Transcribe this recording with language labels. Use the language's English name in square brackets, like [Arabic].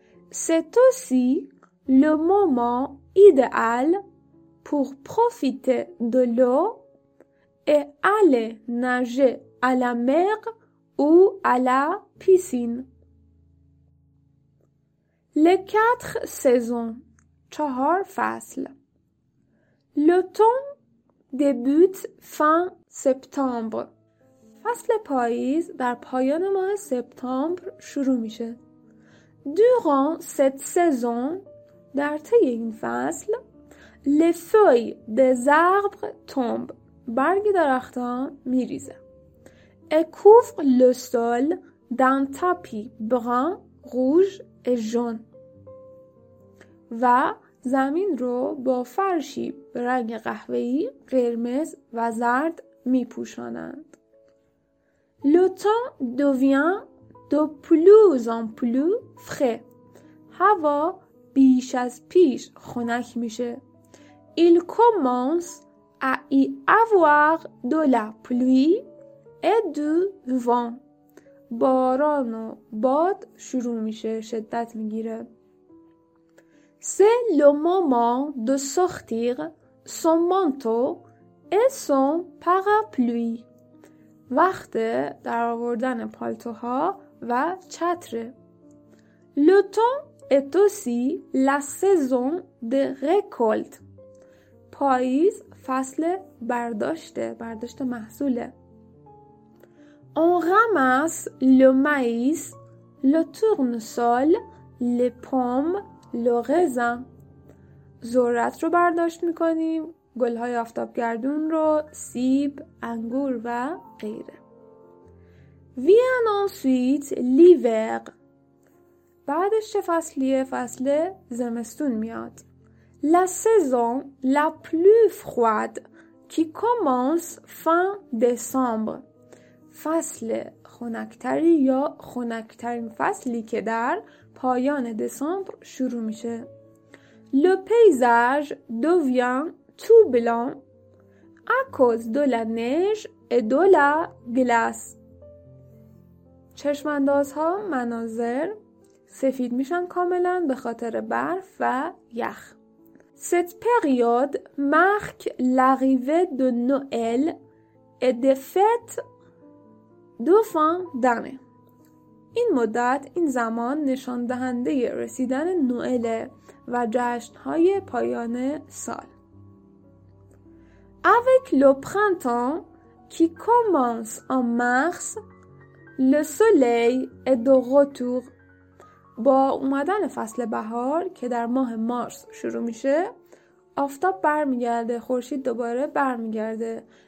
[French] C'est aussi le moment idéal pour profiter de l'eau et aller nager à la mer ou à la piscine. Les quatre saisons, [Persian] چهار فصل. [French] L'automne débute fin septembre. [Persian] فصل پاییز در پایان ماه سپتامبر شروع میشه. [French] Durant cette saison, [Persian] در طی این فصل, [French] les feuilles des arbres tombent. [Persian] برگ درختان میریزه. [French] Et couvre le sol d'un tapis brun, rouge et jaune. [Persian] و زمین رو با فرشی رنگ قهوه‌ای، قرمز و زرد می‌پوشانند. [French] L'automne devient de plus en plus frais. [Persian] هوا بیش از پیش خنک میشه. [French] Il commence à y avoir de la pluie et du vent. [Persian] باران و باد شروع میشه، شدت میگیره. [French] C'est le moment de sortir son manteau et son parapluie. [Persian] وقت در آوردن پالتوها و چتر. [French] L'automne est aussi la saison de récolte. [Persian] پاییز فصل برداشته، برداشت محصوله. [French] On ramasse le maïs, le tournesol, les pommes, le raisin. [Persian] ذرت رو برداشت میکنیم، گلهای آفتابگردون رو، سیب، انگور و غیره. [French] Vient ensuite l'hiver. [Persian] بعدش چه فصلیه؟ فصل زمستون میاد. [French] La saison la plus froide qui commence fin décembre. [Persian] فصل خنکتری یا خنکترین فصلی که در پایان دسامبر شروع میشه. [French] Le paysage devient tout blanc à cause de la neige et de la glace. [Persian] چشمانداز ها مناظر سفید میشن کاملا به خاطر برف و یخ. [French] Cette période marque l'arrivée de Noël et des fêtes de fin d'année. [Persian] این مدت این زمان نشان دهنده رسیدن نوئل و جشن های پایان سال. [French] Avec le printemps qui commence en mars, le soleil est de retour. [Persian] با اومدن فصل بهار که در ماه مارس شروع میشه، آفتاب برمیگرده، خورشید دوباره برمیگرده.